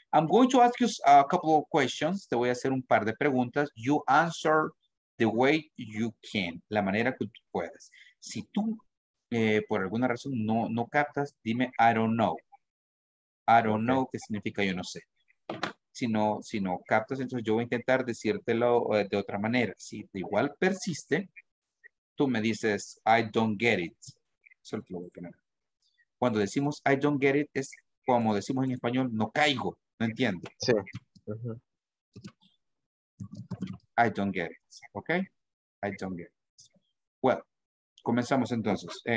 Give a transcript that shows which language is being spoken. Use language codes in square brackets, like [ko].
[en] I'm going to ask you a couple of questions. [es] Te voy a hacer un par de preguntas. [en] You answer the way you can. [es] La manera que tú puedas. Si tú, por alguna razón, no captas, dime, [en] I don't know. I don't know, [es] ¿qué significa yo no sé? Si no captas, entonces yo voy a intentar decírtelo de otra manera. Si igual persiste, tú me dices, [en] I don't get it. [es] Eso es lo que voy a poner. Cuando decimos, [en] I don't get it, [es] es como decimos en español, no caigo, no entiendo. Sí. [en] I don't get it, okay? I don't get it. Well, [es] comenzamos entonces.